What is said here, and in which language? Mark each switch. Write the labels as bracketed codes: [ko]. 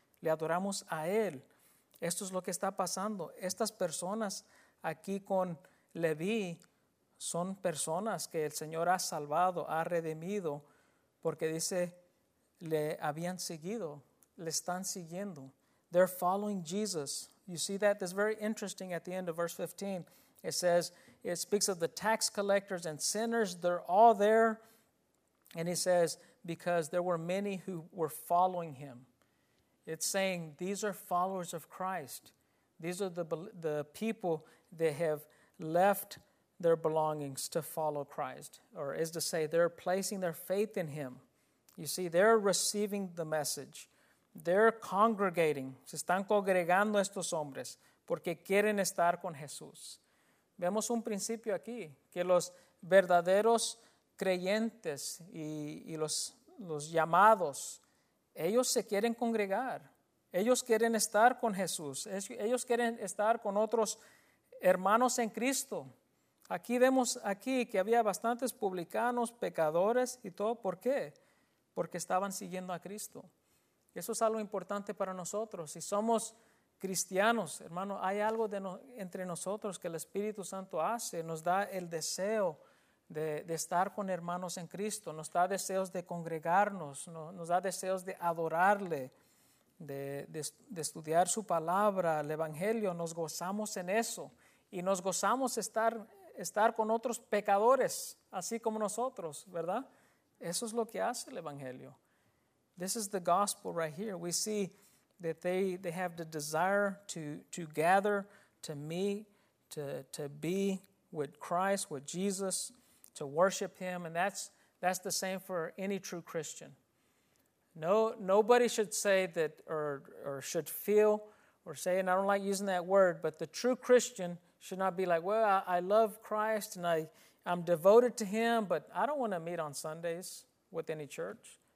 [es] Le adoramos a Él. Esto es lo que está pasando. Estas personas aquí con Leví son personas que el Señor ha salvado, ha redimido, porque dice, le habían seguido, le están siguiendo. [en] They're following Jesus. You see that? That's very interesting at the end of verse 15. It speaks of the tax collectors and sinners. They're all there. And he says, because there were many who were following him. It's saying these are followers of Christ. These are the people that have left their belongings to follow Christ, or is to say they're placing their faith in him. You see, they're receiving the message. They're congregating. [es] Se están congregando estos hombres porque quieren estar con Jesús. Vemos un principio aquí, que los verdaderos creyentes y los llamados, ellos se quieren congregar. Ellos quieren estar con Jesús. Ellos quieren estar con otros hermanos en Cristo. Aquí vemos aquí que había bastantes publicanos, pecadores y todo. ¿Por qué? Porque estaban siguiendo a Cristo. Eso es algo importante para nosotros. Si somos cristianos, hermano, hay algo entre nosotros que el Espíritu Santo hace. Nos da el deseo de estar con hermanos en Cristo. Nos da deseos de congregarnos. Nos da deseos de adorarle, de estudiar su palabra, el Evangelio. Nos gozamos en eso. Y nos gozamos estar con otros pecadores, así como nosotros, ¿verdad? Eso es lo que hace el Evangelio. [en] This is the gospel right here. We see that they have the desire to gather, to meet, to be with Christ, with Jesus, to worship him. And that's the same for any true Christian. No, nobody should say that or should feel or say, and I don't like using that word, but the true Christian should not be like, well, I love Christ and I'm devoted to him, but I don't want to meet on Sundays with any church.